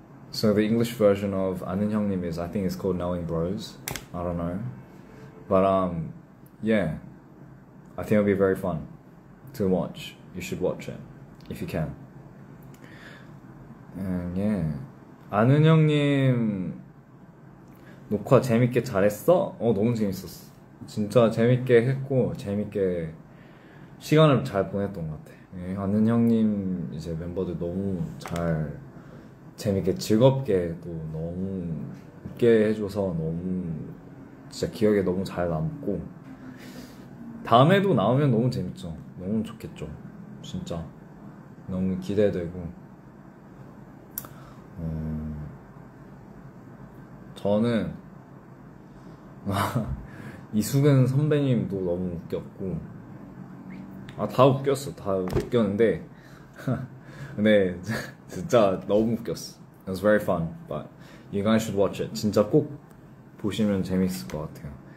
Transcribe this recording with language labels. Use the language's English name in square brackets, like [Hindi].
[English] So the English version of 아는 형님 is, I think it's called knowing bros. I don't know. But yeah, I think it'll be very fun to watch. You should watch it if you can. And yeah, [Korean] 아는 형님 녹화 재밌게 잘했어? 어, 너무 재밌었어. 진짜 재밌게 했고 재밌게 시간을 잘 보냈던 것 같아. 예, 아는 형님 이제 멤버들 너무 잘 재밌게 즐겁게 또 너무 웃게 해줘서 너무. 진짜 기억에 너무 잘 남고 다음에도 나오면 너무 재밌죠. 너무 좋겠죠. 진짜 너무 기대되고 저는 이수근 선배님도 너무 웃겼고 아, 다 웃겼어. 다 웃겼는데 근데 진짜 너무 웃겼어. [English] It was very fun, but you guys should watch it. [Korean] 진짜 꼭 보시면 재밌을 것 같아요.